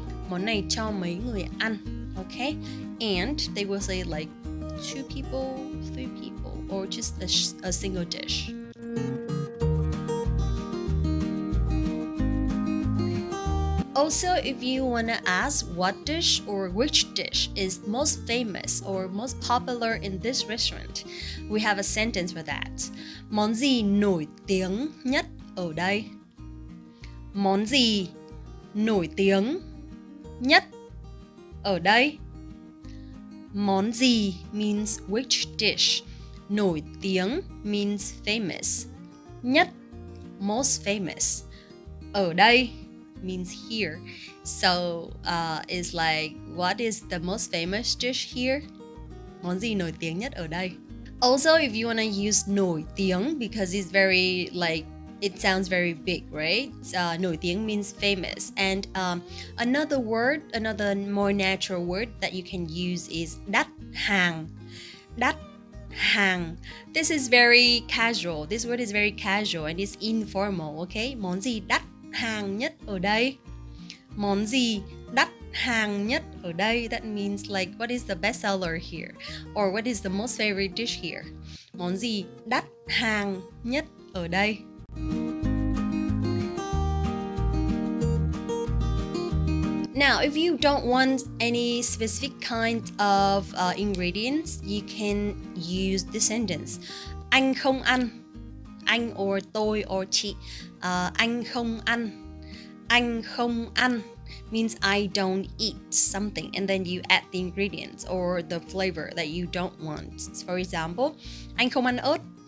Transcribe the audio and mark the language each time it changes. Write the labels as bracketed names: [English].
[Vietnamese] Món này cho mấy người ăn? [English] Okay, and they will say like two people, three people, or just a single dish. Also, if you want to ask what dish or which dish is most famous or most popular in this restaurant, we have a sentence for that. [Vietnamese] Món gì nổi tiếng nhất ở đây? Món gì nổi tiếng nhất ở đây? Món gì [English] means which dish. [Vietnamese] Nổi tiếng [English] means famous. [Vietnamese] Nhất, [English] most famous. [Vietnamese] Ở đây [English] means here. So it's like, what is the most famous dish here? [Vietnamese] Món gì nổi tiếng nhất ở đây? [English] Also, if you want to use [Vietnamese] nổi tiếng, [English] because it's very like it sounds very big, right? [Vietnamese] Nổi tiếng [English] means famous. And another word, another more natural word that you can use is [Vietnamese] đắt hàng. Đắt hàng. [English] This is very casual. This word is very casual and it's informal, okay? [Vietnamese] Món gì đắt hàng nhất ở đây? Món gì đắt hàng nhất ở đây? [English] That means like, what is the best seller here? Or what is the most favorite dish here? [Vietnamese] Món gì đắt hàng nhất ở đây? [English] Now, if you don't want any specific kind of ingredients, you can use this sentence. [Vietnamese] Anh không ăn. Anh or tôi or chị. Anh không ăn. Anh không ăn [English] means I don't eat something, and then you add the ingredients or the flavor that you don't want. For example, [Vietnamese] anh không ăn ớt.